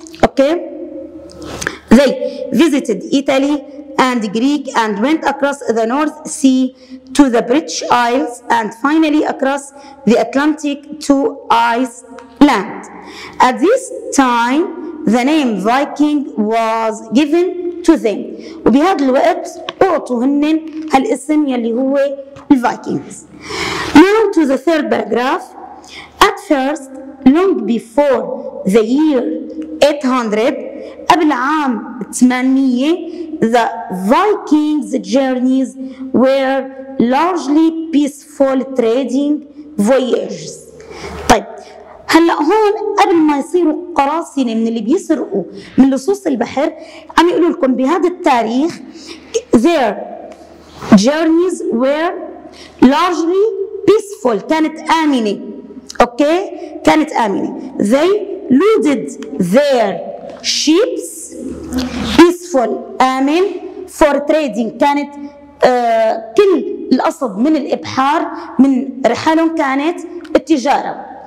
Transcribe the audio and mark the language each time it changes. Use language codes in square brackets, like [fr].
[en] Okay they visited Italy and Greek and went across the North Sea to the British Isles and finally across the Atlantic to Iceland. At this time the name Viking was given to them. [ar] وبهذا الوقت أعطوا هنن هالاسم يلي هو الفايكينجز. [en] Now to the third paragraph. At first, long before the year 800, [ar] قبل عام 800, [en] the Vikings' journeys were largely peaceful trading voyages. [ar] طيب هلا هون قبل ما يصيروا قراصنه من اللي بيسرقوا من لصوص البحر عم يقولوا لكم بهذا التاريخ [en] their journeys were largely peaceful [ar] كانت امنه. اوكي كانت امنه. [en] They loaded their ships peaceful [ar] امن [en] for trading [ar] كانت كل القصد من الابحار من رحالهم كانت التجاره.